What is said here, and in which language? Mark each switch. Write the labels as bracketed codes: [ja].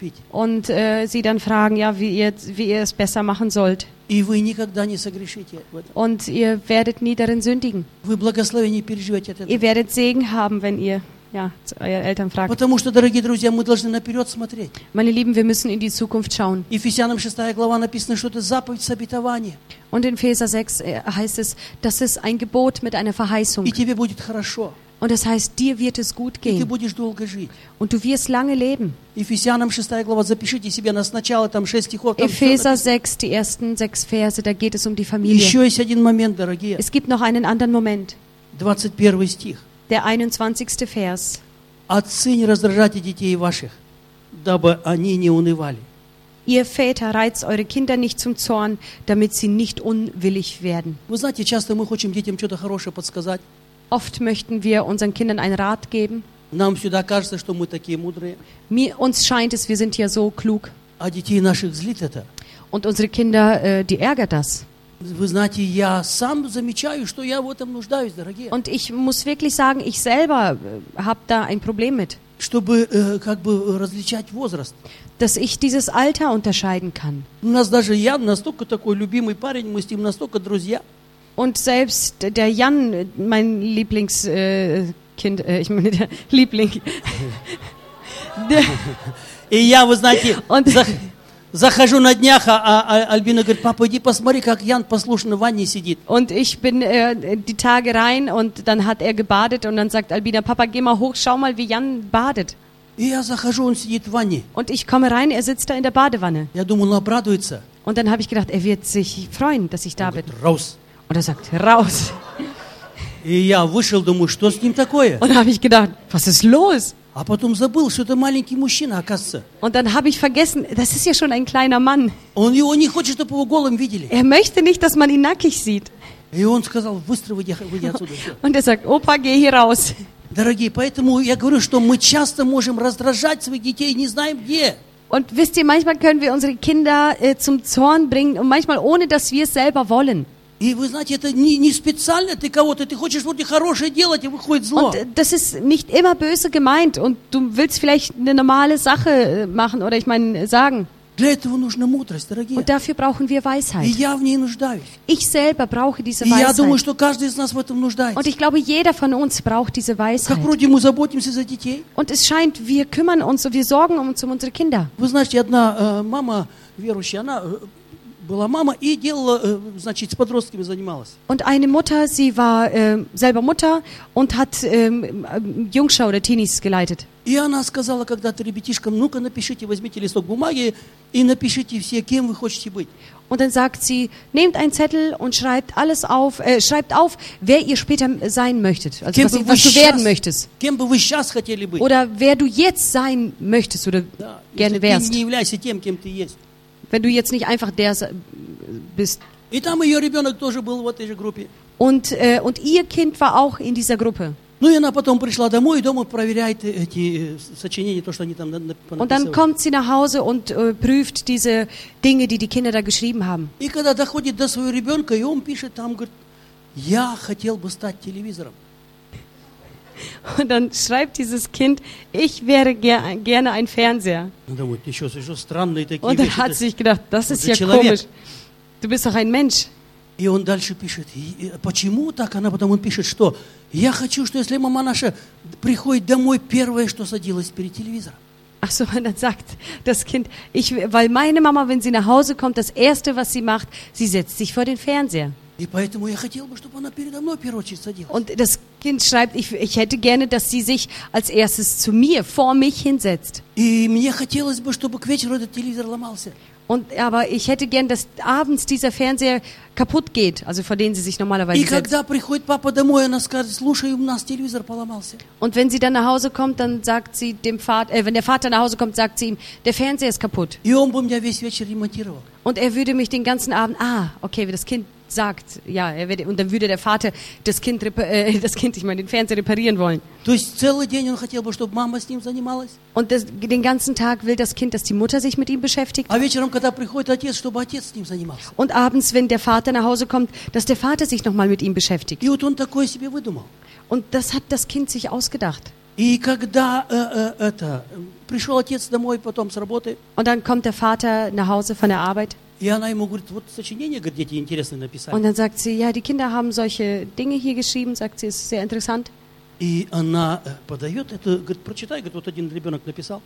[de] Und sie dann fragen, ja, wie ihr es besser machen sollt. [ru] И вы никогда не согрешите. [de] Und ihr werdet nie darin sündigen. [ru] Вы благословение переживете от этого. [de] Ihr werdet Segen haben, wenn ihr Ja, Eltern fragen. [ru] Потому что, дорогие друзья, мы должны наперед смотреть. [de] Meine Lieben, wir müssen in die Zukunft schauen. [ru] Ефесянам 6 глава написано, что это заповедь с обетованием. [de] Und in Epheser 6 heißt es, das ist ein Gebot mit einer Verheißung. [ru] И тебе будет хорошо. [de] Und das heißt, dir wird es gut gehen. [ru] И ты будешь долго жить. [de] Und du wirst lange leben. [ru] Ефесянам 6 глава, запишите себе на сначала там 6 стихов. [de] Epheser 6, die ersten 6 Verse, da geht es um die Familie. [ru] Еще есть один момент, дорогие. [de] Es gibt noch einen anderen Moment. [ru] 21 стих. [de] Der 21. Vers. [ru] Отцы, не раздражайте детей ваших, дабы они не унывали. [de] Ihr Väter, reizt eure Kinder nicht zum Zorn, damit sie nicht unwillig werden. [ru] Вы знаете, часто мы хотим детям что-то хорошее подсказать. [de] Oft möchten wir unseren Kindern einen Rat geben. [ru] Нам всегда кажется, что мы такие мудрые. [de] Uns scheint es, wir sind ja so klug. [ru] А детей наших злит это. [de] Und unsere Kinder, die ärgert das. [ru] Вы знаете, я сам замечаю, что я в этом нуждаюсь, дорогие. [de] Und ich muss wirklich sagen, ich selber habe da ein Problem mit. [ru] Чтобы как бы различать возраст. [de] Dass ich dieses Alter unterscheiden kann. [ru] У нас даже Ян настолько такой любимый парень, мы с ним настолько друзья. [de] Und selbst der Jan, mein Lieblingskind, ich meine der Liebling. [ru] И я, вы знаете, Захожу на днях, а Альбина говорит: "Папа, иди посмотри, как Ян послушно в ванне сидит". [de] Und ich bin die Tage rein und dann hat gebadet und dann sagt Albina: "Papa, geh mal hoch, schau mal, wie Jan badet". [ru] И я захожу, он сидит в ванне. [de] Und ich komme rein, sitzt da in der Badewanne. [ru] Я думал, он обрадуется. [de] Und dann habe ich gedacht, wird sich freuen, dass ich da bin. Raus. Und sagt: "Raus". [ru] И я вышел, думаю, что с ним такое? [de] Und habe ich gedacht, was ist los? [ru] А потом забыл, что это маленький мужчина, оказывается. [de] Und dann habe ich vergessen, das ist ja schon ein kleiner Mann. [ru] Он его не хочет, чтобы его голым видели. [de] Er möchte nicht, dass man ihn nackig sieht. [ru] И он сказал: "Быстро выйди отсюда". [de] Und sagt: "Opa, geh hier raus". [ru] Дорогие, поэтому я говорю, что мы часто можем раздражать своих детей, не знаем где. [de] Und wisst ihr, manchmal können wir unsere Kinder zum Zorn bringen, manchmal ohne, dass wir es selber wollen. [ru] И вы знаете, это не специально ты кого-то, ты хочешь вроде хорошее делать, и выходит зло. [de] Und das ist nicht immer böse gemeint und du willst vielleicht eine normale Sache machen oder ich meine sagen. [ru] Для этого нужна мудрость, дорогие. [de] Und dafür brauchen wir Weisheit. [ru] И я в ней нуждаюсь. [de] Ich selber brauche diese Weisheit. [ru] И я думаю, что каждый из нас в этом нуждается. [de] Und ich glaube, jeder von uns braucht diese Weisheit. [ru] Как вроде мы заботимся за детей. [de] Und es scheint, wir kümmern uns, wir sorgen uns um unsere Kinder. [ru] Вы знаете, одна мама верующая, она была мама и делала, значит, с подростками занималась. [de] Und eine Mutter, sie war selber Mutter und hat Jungschau oder Teenies geleitet. [ru] И она сказала когда-то ребятишкам: ну-ка напишите, возьмите листок бумаги и напишите все, кем вы хотите быть. [de] Und dann sagt sie: nehmt einen Zettel und schreibt alles auf, schreibt auf, wer ihr später sein möchtet, also was, was du werden möchtest. [ru] Кем бы вы сейчас хотели быть? [de] Oder wer du jetzt sein möchtest oder [ru] да, [de] gerne wärst. [ru] Не являйся тем, кем ты есть. [de] Wenn du jetzt nicht einfach der bist. [ru] И там ее ребенок тоже был в этой же группе. [de] Und, und ihr Kind war auch in dieser Gruppe. [ru] Ну и она потом пришла домой и дома проверяет эти сочинения, то, что они там написали. [de] Und dann kommt sie nach Hause und prüft diese Dinge, die die Kinder da geschrieben haben. [ru] И когда доходит до своего ребенка, и он пишет там, говорит: я хотел бы стать телевизором. [de] Und dann schreibt dieses Kind: ich wäre gerne ein Fernseher. Und dann hat sich gedacht: das ist ja komisch. Du bist doch ein Mensch. [ru] И он дальше пишет: почему так? Она потом он пишет, что я хочу, что если мама наша приходит домой, первое, что садилось перед телевизором. [de] Ach so, und dann sagt das Kind: ich, weil meine Mama, wenn sie nach Hause kommt, das erste, was sie macht, sie setzt sich vor den Fernseher. [ru] И поэтому я хотел бы, чтобы она передо мной в первую очередь садилась. [de] Und das Kind schreibt: ich hätte gerne, dass sie sich als erstes zu mir, vor mich hinsetzt. [ru] И мне хотелось бы, чтобы к вечеру этот телевизор ломался. [de] Und, aber ich hätte gern, dass abends dieser Fernseher kaputt geht, also vor denen sie sich normalerweise setzt. [ru] Когда приходит папа домой, она скажет: слушай, у нас телевизор поломался. [de] Und wenn sie dann nach Hause kommt, dann sagt sie dem Vater, wenn der Vater nach Hause kommt, sagt sie ihm: der Fernseher ist kaputt. [ru] И он бы меня весь вечер ремонтировал. [de] Und er würde mich den ganzen Abend, ah, okay, wie das Kind sagt, ja, er würde, und dann würde der Vater den Fernseher reparieren wollen. [ru] То есть целый день он хотел бы, чтобы мама с ним занималась. [de] Und das, den ganzen Tag will das Kind, dass die Mutter sich mit ihm beschäftigt. [ru] А вечером, когда приходит отец, чтобы отец с ним занимался. [de] Und abends, wenn der Vater nach Hause kommt, dass der Vater sich nochmal mit ihm beschäftigt. [ru] И вот он такое себе выдумал. [de] Und das hat das Kind sich ausgedacht. [ru] И когда пришел отец домой потом с работы. [de] Und dann kommt der Vater nach Hause von der Arbeit. [ru] И она ему говорит: вот сочинение, говорит, дети интересные написали. [de] Und dann sagt sie: ja, die Kinder haben solche Dinge hier geschrieben, sagt sie, ist sehr interessant. [ru] И она подает это, говорит: прочитай, говорит, вот один ребенок написал.